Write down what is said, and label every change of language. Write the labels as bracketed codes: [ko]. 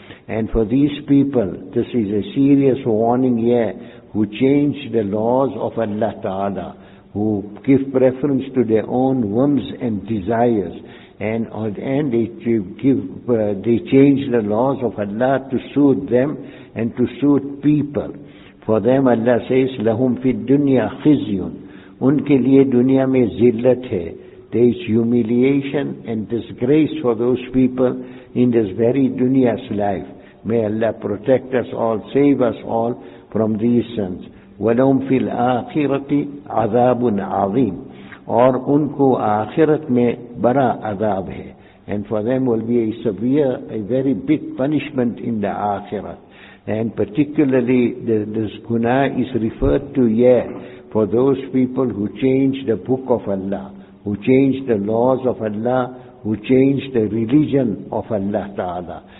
[en] And for these people, this is a serious warning here, who change the laws of Allah Ta'ala, who give preference to their own whims and desires, and they change the laws of Allah to suit them and to suit people. For them Allah says, [ar] لَهُمْ فِي الدُّنْيَا خِزْيٌ [ur] ان کے لیے دنیا میں ذلت ہے. [en] There is humiliation and disgrace for those people in this very dunya's life. May Allah protect us all, save us all from these sins. [ar] وَلَهُمْ فِي الْآخِرَةِ عَذَابٌ عَظِيمٌ. [ur] اور ان کو آخرت میں بڑا عذاب ہے. [en] And for them will be a severe, a very big punishment in the akhirat. And particularly this guna is referred to here for those people who change the book of Allah, who change the laws of Allah, who change the religion of Allah Ta'ala.